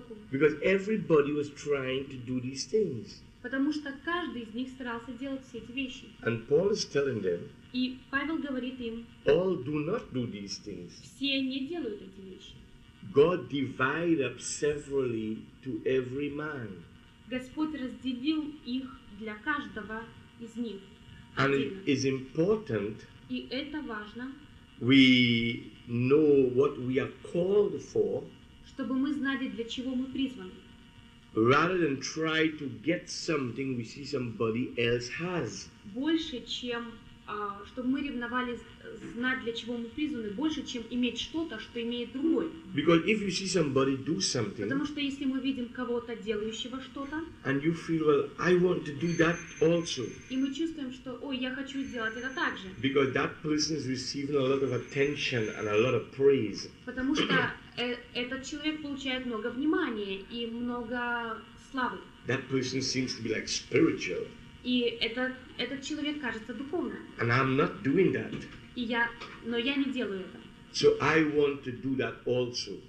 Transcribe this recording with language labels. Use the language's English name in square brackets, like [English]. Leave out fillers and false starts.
[English] Because everybody was trying to do these things. [Russian] Потому что каждый из них старался делать все эти вещи. [English] And Paul is telling them. [Russian] И Павел говорит им. [English] All do not do these things. [Russian] Все не делают эти вещи. [English] God divided up severally to every man. [Russian] Господь разделил их для каждого из них. [English] And it is important. [Russian] И это важно. [English] We know what we are called for. [Russian] Чтобы мы знали, для чего мы призваны. [English] Rather than try to get something we see somebody else has. [Russian] Больше, чем, чтобы мы ревновали знать, для чего мы призваны, больше, чем иметь что-то, что имеет другой. [English] Because if you see somebody do something, [Russian] потому что если мы видим кого-то, делающего что-то, [English] and you feel, well, I want to do that also. [Russian] И мы чувствуем, что, ой, я хочу сделать это так же. [English] Because that person is receiving a lot of attention and a lot of praise. [Russian] Потому что этот человек получает много внимания и много славы. [English] That person seems to be like spiritual. [Russian] И этот человек кажется духовным. [English] And I'm not doing that. [Russian] Но я не делаю это. [English] So I want to do that also.